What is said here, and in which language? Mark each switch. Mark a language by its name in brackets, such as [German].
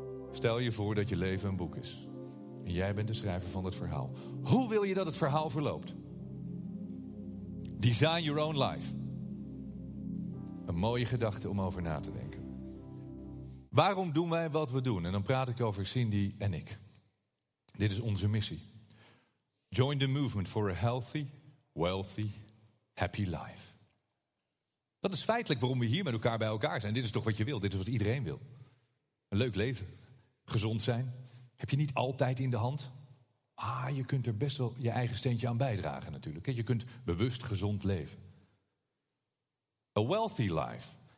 [Dutch] Stel je voor dat je leven een boek is. En jij bent de schrijver van het verhaal. Hoe wil je dat het verhaal verloopt? [English] Design your own life. [Dutch] Een mooie gedachte om over na te denken. Waarom doen wij wat we doen? En dan praat ik over Cindy en ik. Dit is onze missie. [English] Join the movement for a healthy, wealthy, happy life. [Dutch] Dat is feitelijk waarom we hier met elkaar bij elkaar zijn. Dit is toch wat je wil, dit is wat iedereen wil. Een leuk leven, gezond zijn. Heb je niet altijd in de hand? Ah, je kunt er best wel je eigen steentje aan bijdragen natuurlijk. Je kunt bewust gezond leven. [English] A wealthy life.